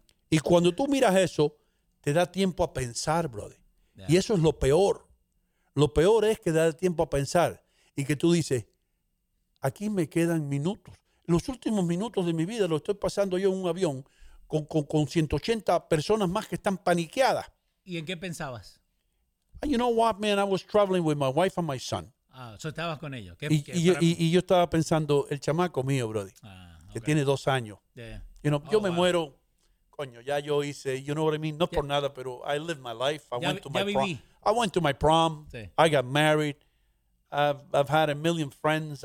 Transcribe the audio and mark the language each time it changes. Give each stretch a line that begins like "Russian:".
Spanish: Y cuando tú miras eso, te da tiempo a pensar, brother. Yeah. Y eso es lo peor. Lo peor es que da tiempo a pensar y que tú dices, aquí me quedan minutos. Los últimos minutos de mi vida los estoy pasando yo en un avión con 180 personas más que están paniqueadas. ¿Y en qué pensabas?
English: You know what, man? I was traveling with my wife and my son.
Spanish: Ah, so estabas con ellos. Y yo estaba pensando, el chamaco mío, brody, que tiene 2 años. Yeah.
English: You know,
Spanish: yo me muero, coño, ya yo hice,
English: you know what I mean?
Spanish: No por nada, pero
English: I lived my life. I went to my prom.
Spanish: Sí.
English: I got married. I've had a million friends.